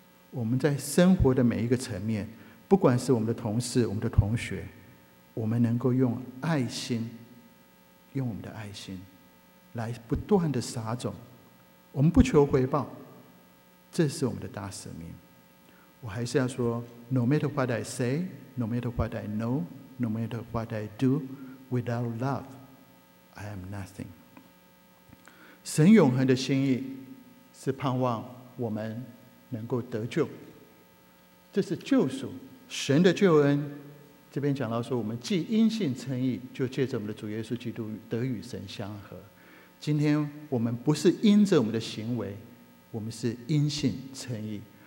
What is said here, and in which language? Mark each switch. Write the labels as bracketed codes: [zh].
[zh] 我们在生活的每一个层面，不管是我们的同事、我们的同学，我们能够用爱心，用我们的爱心来不断的撒种。我们不求回报，这是我们的大使命。我还是要说 [en] No matter what I say, No matter what I know, No matter what I do, Without love, I am nothing. [zh] 神永恒的心意是盼望我们能够得救，这是救赎，神的救恩。这边讲到说，我们既因信称义，就借着我们的主耶稣基督得与神相合。今天我们不是因着我们的行为，我们是因信称义。